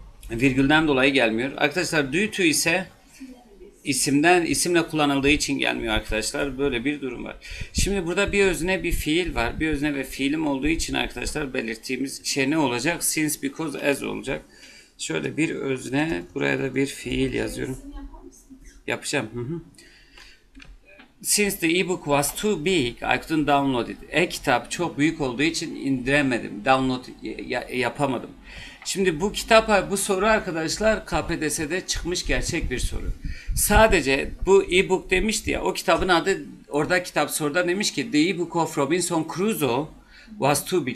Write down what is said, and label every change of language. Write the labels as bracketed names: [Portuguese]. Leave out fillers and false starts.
[Turkish] Virgülden dolayı gelmiyor. Arkadaşlar due to ise isimle kullanıldığı için gelmiyor arkadaşlar. Böyle bir durum var. Şimdi burada bir özne bir fiil var. Bir özne ve fiilim olduğu için arkadaşlar belirttiğimiz şey ne olacak? Since, because, as olacak. Şöyle bir özne, buraya da bir fiil yazıyorum. Yapacağım. [English] Since the ebook was too big, I couldn't download it. [Turkish] E-kitap çok büyük olduğu için indiremedim, download yapamadım. Şimdi bu kitap, bu soru arkadaşlar KPDS'de çıkmış gerçek bir soru. Sadece bu e-book demişti ya, o kitabın adı, orada kitap soruda demiş ki [English] The e-book of Robinson Crusoe was too big.